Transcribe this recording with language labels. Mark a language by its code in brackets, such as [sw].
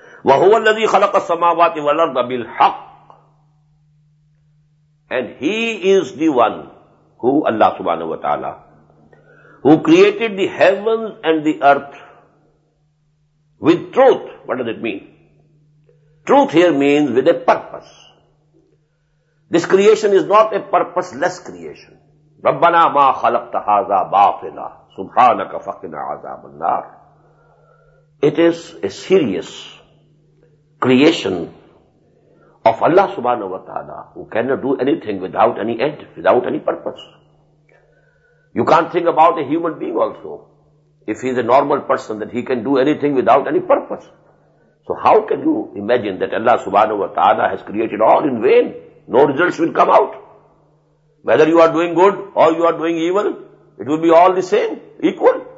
[ar] وہو الذی خلق السماوات والارض بالحق [en] And he is the one who, Allah سبحانہ و تعالی، who created the heavens and the earth with truth. What does it mean? Truth here means with a purpose. This creation is not a purposeless creation. [ar] ربنا ما خلقت ھذا باطلا سبحانک فقنا عذاب النار. [en] It is a serious creation of Allah سبحانہ و تعالی، who can not do anything without any end, without any purpose. You can't think about a human being also if he is a normal person, that he can do anything without any purpose. So how can you imagine that اللہ سبحانہ و تعالی has created all in vain, no results will come out. Whether you are doing good or you are doing evil, it will be all the same, equal.